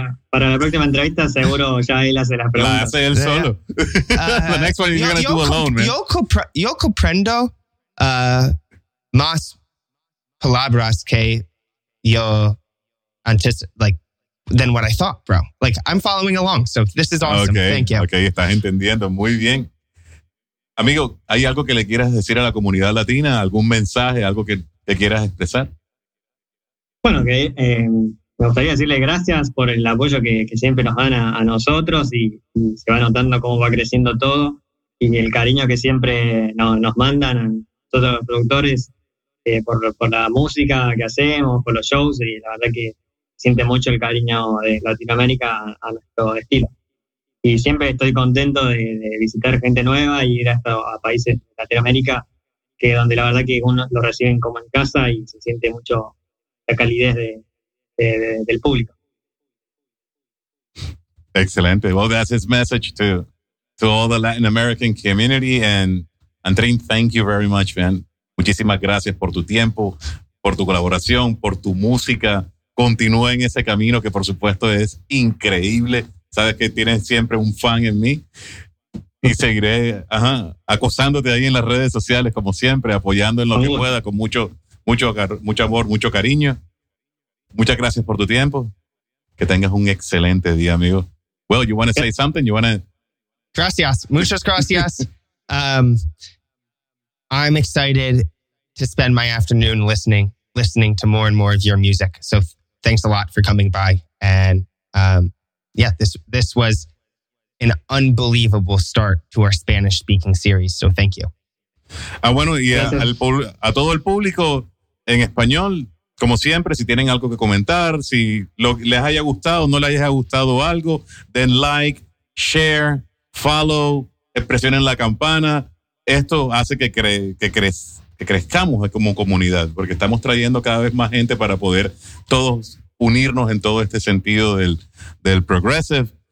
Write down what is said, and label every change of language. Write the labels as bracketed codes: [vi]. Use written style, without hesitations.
[es] Para la próxima entrevista, seguro ya él hace las preguntas. La hace él solo. [en] The next one you're going to do alone, man. [es] Yo comprendo más palabras que yo [en] than what I thought, bro. Like, I'm following along. So this is awesome. Okay. Thank you. [es] Okay, estás entendiendo. Muy bien. Amigo, ¿hay algo que le quieras decir a la comunidad latina? ¿Algún mensaje? ¿Algo que te quieras expresar? Bueno, que me gustaría decirle gracias por el apoyo que siempre nos dan a nosotros y se va notando cómo va creciendo todo y el cariño que siempre nos mandan a nosotros los productores por la música que hacemos, por los shows y la verdad que siente mucho el cariño de Latinoamérica a nuestro estilo. Y siempre estoy contento de visitar gente nueva y ir a países de Latinoamérica, que donde la verdad que uno lo reciben como en casa y se siente mucho la calidez del público. Excelente. [en] Well, that's his message to all the Latin American community. And Andrín, thank you very much, man. [es] Muchísimas gracias por tu tiempo, por tu colaboración, por tu música. Continúa en ese camino que por supuesto es increíble. Sabes que tienes siempre un fan en mí y seguiré acosándote ahí en las redes sociales como siempre, apoyando en lo que pueda con mucho, mucho, mucho amor, mucho cariño. Muchas gracias por tu tiempo. Que tengas un excelente día, amigo. [en] Well, you want to [es] say something? You want to Gracias. Muchas gracias. [en] I'm excited to spend my afternoon listening to more and more of your music. So thanks a lot for coming by. And this was an unbelievable start to our Spanish speaking series. So thank you. [es] Ah, bueno, y a todo el público en español, como siempre, si tienen algo que comentar, si les haya gustado o no les haya gustado algo, den like, share, follow, presionen la campana. Esto hace que crezcamos como comunidad, porque estamos trayendo cada vez más gente para poder todos unirnos en todo este sentido del progressive.